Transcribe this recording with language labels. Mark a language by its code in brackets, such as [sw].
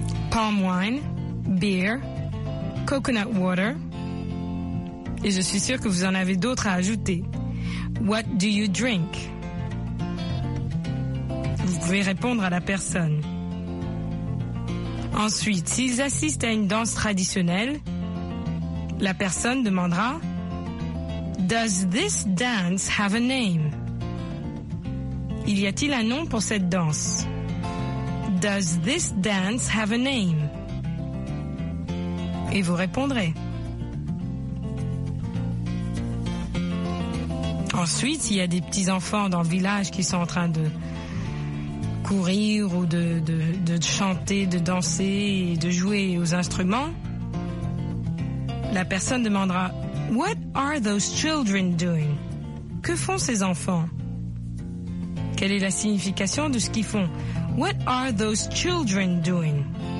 [en] Palm wine, beer, coconut water. [fr] Et je suis sûre que vous en avez d'autres à ajouter. [en] What do you drink? [fr] Vous pouvez répondre à la personne. Ensuite, s'ils assistent à une danse traditionnelle, la personne demandera « [en] Does this dance have a name ?» [fr] Il y a-t-il un nom pour cette danse ?« [en] Does this dance have a name ?» [fr] Et vous répondrez. Ensuite, s'il y a des petits-enfants dans le village qui sont en train de courir ou de chanter, de danser et de jouer aux instruments, la personne demandera « [en] What are those children doing ?» [fr] Que font ces enfants ? Quelle est la signification de ce qu'ils font ? [en] « What are those children doing ?»